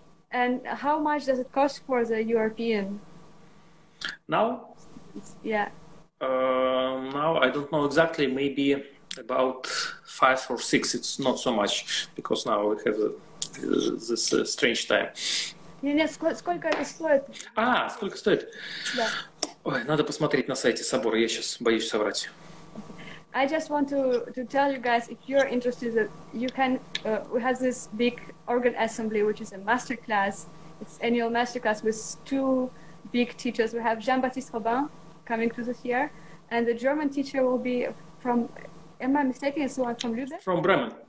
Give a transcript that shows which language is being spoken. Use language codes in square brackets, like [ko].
[en] And how much does it cost for the European? Now? Yeah. Now I don't know exactly, maybe about 5 or 6, it's not so much, because now we have this strange time. [ru] Сколько это стоит? Да. Ой, надо посмотреть на сайте собора, я сейчас боюсь соврать. [en] I just want to tell you guys, if you're interested, that you can, we have this big organ assembly, which is a masterclass. It's annual masterclass with 2 big teachers. We have Jean-Baptiste Robin coming to this year, and the German teacher will be from, am I mistaken, someone from Lübeck?